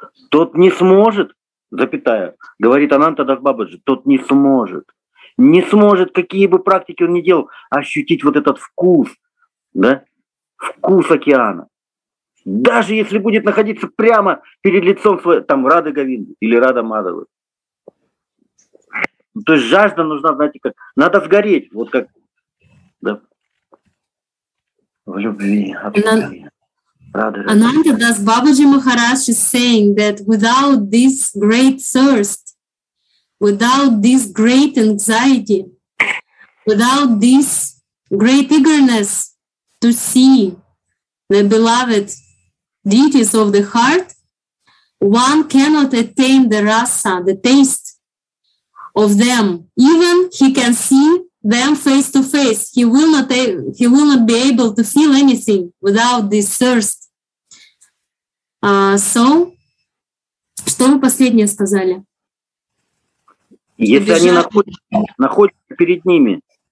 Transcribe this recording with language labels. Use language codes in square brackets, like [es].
[ru] тот не сможет, запятая, говорит Анантадас Бабаджи, тот не сможет, какие бы практики он ни делал, ощутить вот этот вкус, да, вкус океана. Даже если будет находиться прямо перед лицом своей, там, Рады Говинды или Рада Мадавы. То есть жажда нужна, знаете, как... Надо сгореть, вот как... Да. В любви. [en] Ананда Дас Бабаджи Махарадж is saying that without this great thirst, without this great anxiety, without this great eagerness to see the beloved deities of the heart, one cannot attain the rasa, the taste of them. Even he can see them face to face, he will not be able to feel anything without this thirst. [ru] So, что вы последнее сказали? Если они находятся перед ними.